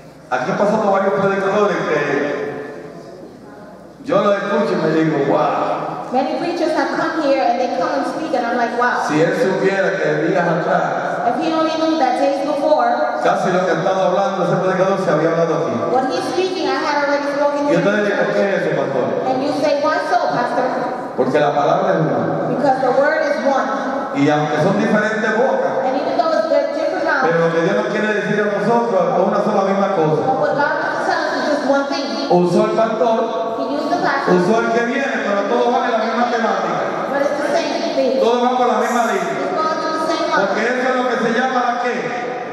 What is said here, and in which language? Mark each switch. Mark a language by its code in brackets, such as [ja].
[es] Aquí han pasado varios predicadores que yo lo escucho y me digo, wow. [en] Many preachers have come here and they come and speak and I'm like, wow. [es] Si él supiera que días atrás. [en] If he only knew that days before. [es] Casi lo que ha estado hablando ese predicador se había hablado aquí. [en] When he's speaking, I had already spoken to him. [es] Y entonces dije, ¿por qué es eso, pastor? [en] And you say, why so, pastor? [es] Porque la palabra es una. [en] Because the word is one. [es] Y aunque son diferentes bocas. [en] And even though it's different mouths. [es] Pero lo que Dios nos quiere decir a nosotros es una sola misma cosa. [en] But what God tells us is just one thing. [es] Usó el pastor. Usó el que viene, pero todos van en la misma temática. Todos van por la misma línea. Porque eso es lo que se llama la qué.